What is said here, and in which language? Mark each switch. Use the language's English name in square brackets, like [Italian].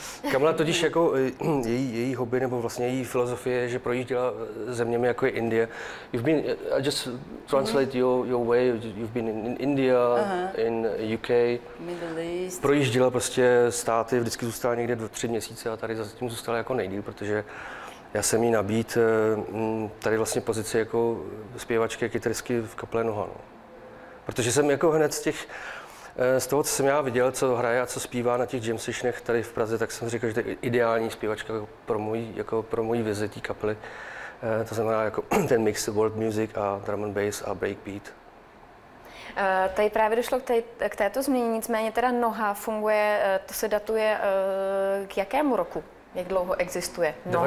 [Czech] Kamila totiž jako její hobby nebo vlastně její filozofie je, že projížděla zeměmi jako je Indie. [English] You've been, I just translate your way, you've been in India, in UK, Middle East. [Czech] Projížděla prostě státy, vždycky zůstala někde 2-3 měsíce a tady zatím zůstala jako nejdýl, protože já jsem jí nabít tady vlastně pozici jako zpěvačky kytarky v kapele Noha. No. Protože jsem jako hned z těch, z toho, co jsem já viděl, co hraje a co zpívá na těch jam sessionech tady v Praze, tak jsem říkal, že to je ideální zpěvačka jako pro můj vize té kapely. To znamená jako ten mix world music a drum and bass a breakbeat. Tady právě došlo k této změně, nicméně teda Noha funguje, to se datuje k jakému roku? Jak dlouho existuje Noha?